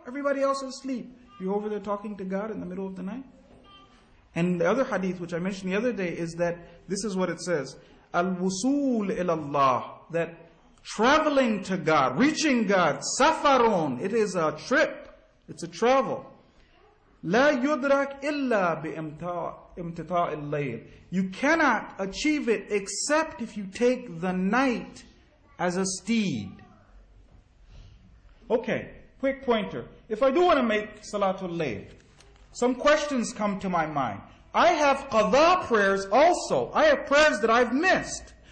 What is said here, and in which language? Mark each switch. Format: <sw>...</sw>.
<en>Everybody else is asleep. You're over there talking to God in the middle of the night. And the other hadith, which I mentioned the other day, is that this is what it says.</en> <ar>Al-wusool ila Allah.</ar> <en>That traveling to God, reaching God, safarun. It is a trip. It's a travel.</en> <ar>لا يدرك إلا بامتطاء الليل.</ar> <en>You cannot achieve it except if you take the night as a steed. Okay, quick pointer. If I do want to make Salatul Layl, some questions come to my mind. I have qadha prayers also. I have prayers that I've missed.</en>